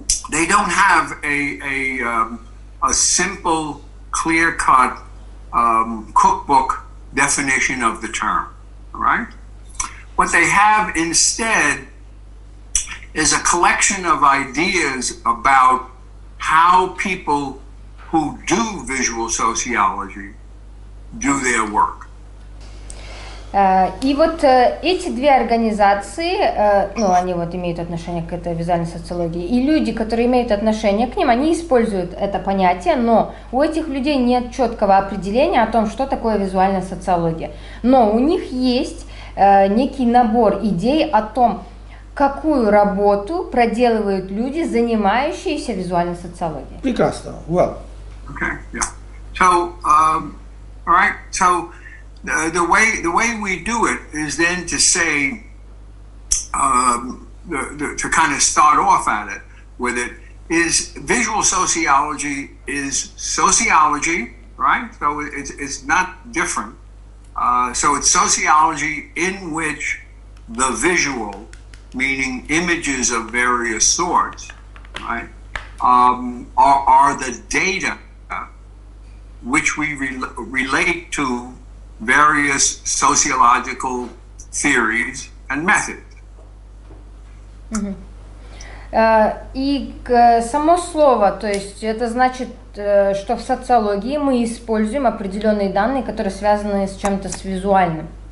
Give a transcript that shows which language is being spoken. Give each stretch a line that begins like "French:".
English: They don't have a simple, clear-cut cookbook definition of the term, right? What they have instead is a collection of ideas about how people who do visual sociology do their work.
Russian: И вот эти две организации, ну, они вот имеют отношение к этой визуальной социологии, и люди, которые имеют отношение к ним, они используют это понятие, но у этих людей нет четкого определения о том, что такое визуальная социология. Но у них есть некий набор идей о том, какую работу проделывают люди, занимающиеся визуальной социологией. Прекрасно. Well.
English: Okay. Yeah. So, all right. So, the way we do it is then to say, to kind of start off at it with it is visual sociology is sociology, right? So it's not different. So it's sociology in which the visual, meaning images of various sorts, right, are the data which we relate to various sociological theories and methods.
Russian: И само слово, то есть это значит, что в социологии мы используем определенные данные, которые связаны с чем-то с визуальным.